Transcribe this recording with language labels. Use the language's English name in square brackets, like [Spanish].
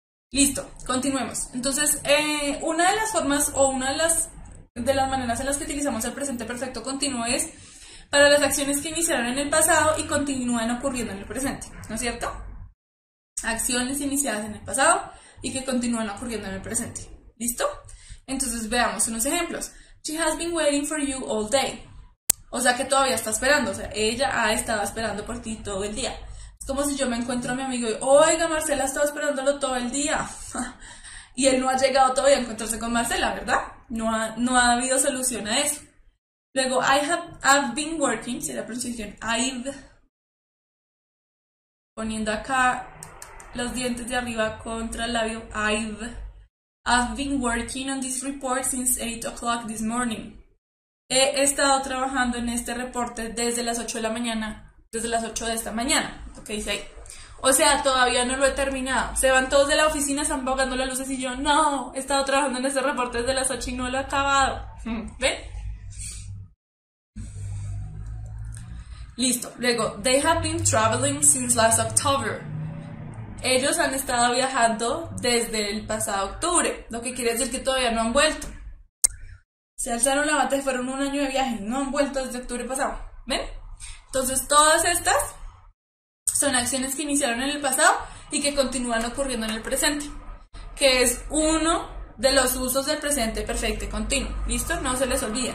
[Spanish] Listo, continuemos. Entonces, una de las formas o una de las maneras en las que utilizamos el presente perfecto continuo es para las acciones que iniciaron en el pasado y continúan ocurriendo en el presente, ¿no es cierto? Acciones iniciadas en el pasado y que continúan ocurriendo en el presente. ¿Listo? Entonces, veamos unos ejemplos. [English] She has been waiting for you all day. [Spanish] O sea que todavía está esperando, o sea, ella ha estado esperando por ti todo el día. Es como si yo me encuentro a mi amigo y, oiga, Marcela ha estado esperándolo todo el día. Y él no ha llegado todavía a encontrarse con Marcela, ¿verdad? No ha habido solución a eso. Luego, [English] I've been working, [Spanish] si la pronunciación, I've. Poniendo acá los dientes de arriba contra el labio, [English] I've been working on this report since 8 o'clock this morning. [Spanish] He estado trabajando en este reporte desde las 8 de la mañana, desde las 8 de esta mañana, lo que dice ahí. O sea, todavía no lo he terminado. Se van todos de la oficina, están apagando las luces y yo, no, he estado trabajando en este reporte desde las 8 y no lo he acabado. ¿Ven? Listo. [English] Luego, they have been traveling since last October. [Spanish] Ellos han estado viajando desde el pasado octubre, lo que quiere decir que todavía no han vuelto. Se alzaron la bata y fueron un año de viaje. No han vuelto desde octubre pasado. ¿Ven? Entonces, todas estas son acciones que iniciaron en el pasado y que continúan ocurriendo en el presente, que es uno de los usos del presente perfecto y continuo. ¿Listo? No se les olvide.